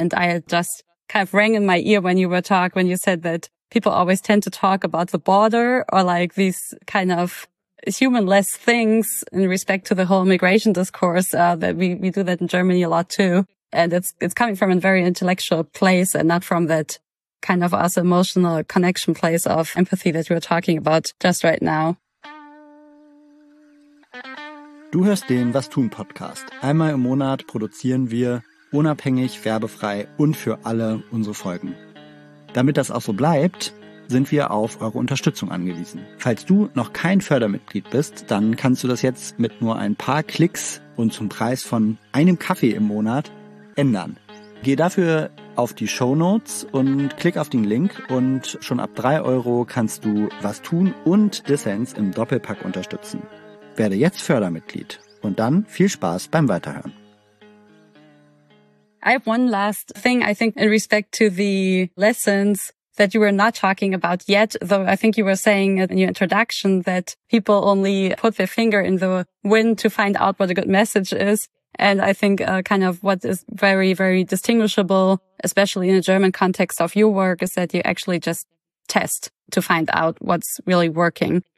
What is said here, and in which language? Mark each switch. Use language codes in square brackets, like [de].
[en] And I just kind of rang in my ear when you were talking, when you said that people always tend to talk about the border or like these kind of humanless things in respect to the whole immigration discourse, that we do that in Germany a lot too. And it's coming from a very intellectual place and not from that kind of us emotional connection place of empathy that we're talking about just right now. [de] Du hörst den Was tun Podcast. Einmal im Monat produzieren wir unabhängig, werbefrei und für alle unsere Folgen. Damit das auch so bleibt, sind wir auf eure Unterstützung angewiesen. Falls du noch kein Fördermitglied bist, dann kannst du das jetzt mit nur ein paar Klicks und zum Preis von einem Kaffee im Monat ändern. Geh dafür auf die Shownotes und klick auf den Link und schon ab 3 € kannst du Was tun und Dissens im Doppelpack unterstützen. Werde jetzt Fördermitglied und dann viel Spaß beim Weiterhören. [en] I have one last thing, I think, in respect to the lessons that you were not talking about yet, though I think you were saying in your introduction that people only put their finger in the wind to find out what a good message is. And I think kind of what is very, very distinguishable, especially in a German context of your work, is that you actually just test to find out what's really working.